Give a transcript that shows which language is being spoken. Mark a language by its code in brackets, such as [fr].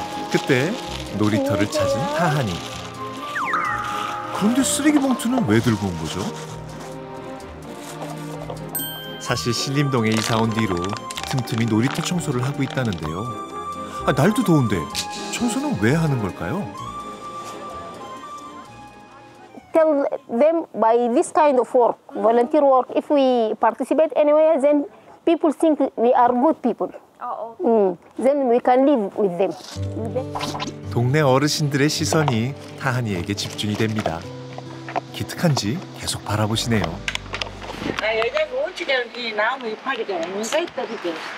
[ko] 그때 놀이터를 찾은 타하니. 그런데 쓰레기 봉투는 왜 들고 온 거죠? 사실 신림동에 이사 온 뒤로 틈틈이 놀이터 청소를 하고 있다는데요. 아, 날도 더운데 청소는 왜 하는 걸까요? [en] Tell them by this kind of work, volunteer work. If we participate anyway, then people think we are good people. Then we can live with them. [ko] 동네 어르신들의 시선이 타하니에게 집중이 됩니다. 기특한지 계속 바라보시네요. 아, 여자 모치기 나무 이파리가 뭔가 있다 그게.